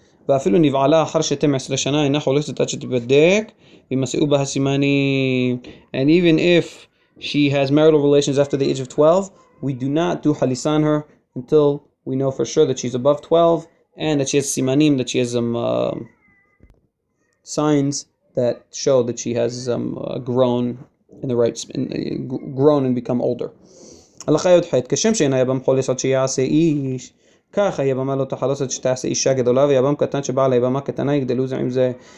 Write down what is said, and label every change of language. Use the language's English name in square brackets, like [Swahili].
[Hebrew] ואפילו נבעלה אחר שתים עשרה שנה, אינה חולסת עד שתבדק, ומסעו בה הסימנים. [English] And even if she has marital relations after the age of 12, we do not do halisa on her until we know for sure that she's above 12, and that she has simanim, that she has signs that show that she has grown in the right, grown and become older. [Hebrew] הלכה י"ח, כשם שאין היבם חולס עד שיעשה איש, ככה היבמה לא תחלוס עד שתעשה אישה גדולה, ויבם קטן שבא על היבמה קטנה יגדלו זה עם זה.